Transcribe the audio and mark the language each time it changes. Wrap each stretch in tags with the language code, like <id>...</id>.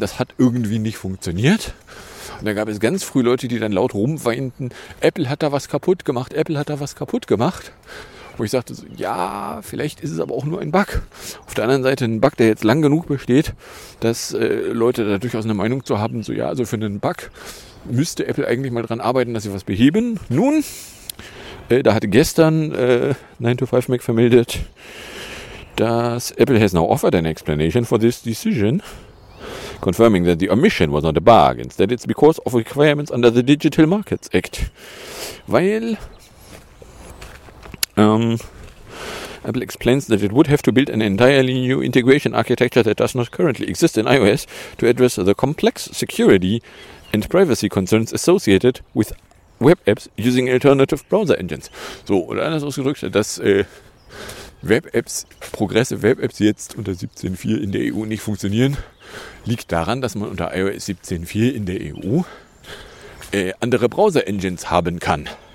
<de>Das hat irgendwie nicht funktioniert. Und da gab es ganz früh Leute, die dann laut rumweinten, Apple hat da was kaputt gemacht, Apple hat da was kaputt gemacht. Wo ich sagte, so, ja, vielleicht ist es aber auch nur ein Bug. Auf der anderen Seite ein Bug, der jetzt lang genug besteht, dass Leute da durchaus eine Meinung zu haben, so ja, also für einen Bug müsste Apple eigentlich mal dran arbeiten, dass sie was beheben. Nun, da hatte gestern 9to5 Mac vermeldet, dass</de> <en>Apple has now offered an explanation for this decision, confirming that the omission was not a bug, instead it's because of requirements under the Digital Markets Act. Weil Apple explains that it would have to build an entirely new integration architecture that does not currently exist in iOS to address the complex security and privacy concerns associated with web apps using alternative browser engines.</en> <de>So, oder anders ausgedrückt, dass Web Apps, progressive Web Apps jetzt unter 17.4 in der EU nicht funktionieren, liegt daran, dass man unter iOS 17.4 in der EU andere Browser Engines haben kann.</de>